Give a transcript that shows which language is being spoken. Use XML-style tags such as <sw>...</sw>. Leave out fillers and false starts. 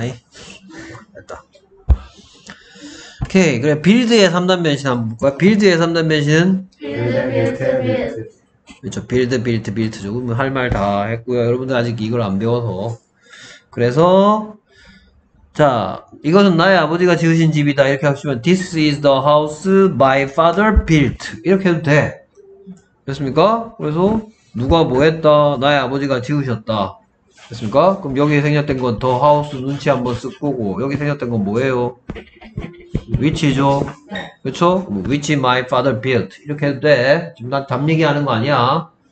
<ko>됐다. 오케이. 그래, 빌드의 3단 변신 한번 볼까? 빌드의 3단 변신은 빌드. 그렇죠. 빌드죠. 그러면 할 말 다 했고요. 여러분들 아직 이걸 안 배워서. 그래서 자, 이것은 나의 아버지가 지으신 집이다. 이렇게 하시면</ko> <en>this is the house my father built.</en> <ko>이렇게 해도 돼. 됐습니까? 그래서 누가 뭐 했다? 나의 아버지가 지으셨다. 됐습니까? 그럼 여기 생략된 건</ko> <en>the house</en> <ko>눈치 한번 쓸 거고 여기 생략된 건 뭐예요? which죠? 그쵸?</ko> <en>which my father built.</en> <ko>이렇게 해도 돼. 지금 난 답 얘기하는 거 아니야.</ko>